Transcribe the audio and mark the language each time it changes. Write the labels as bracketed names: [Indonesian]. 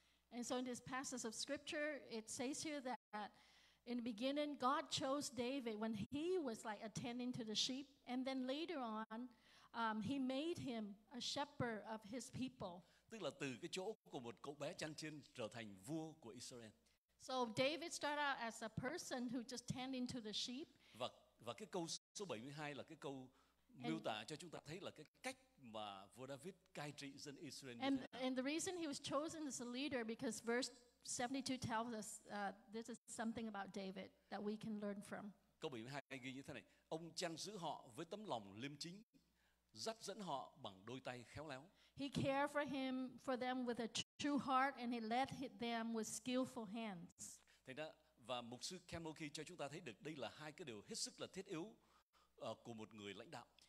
[English] And so in this passage of scripture, it says here that in the beginning God chose David when he was like attending to the sheep, and then later on he made him a shepherd of his people. [Vietnamese] Tức là từ cái chỗ của một cậu bé chăn chiên trở thành vua của Israel. [English] So David started out as a person who just tending to the sheep. [Vietnamese] Và cái câu số 72 là cái câu miêu tả cho chúng ta thấy là cái cách mà vua David cai trị dân Israel. [English] And the reason he was chosen as a leader because verse 72 tells us this is something about David that we can learn from. [Vietnamese] Câu 72 ghi như thế này: ông chăn giữ họ với tấm lòng liêm chính, dắt dẫn họ bằng đôi tay khéo léo. [English] He cared for him for them with a true heart and he led them with skillful hands. [Vietnamese] Thế đó, và mục sư Kamoki cho chúng ta thấy được đây là hai cái điều hết sức là thiết yếu của một người lãnh đạo.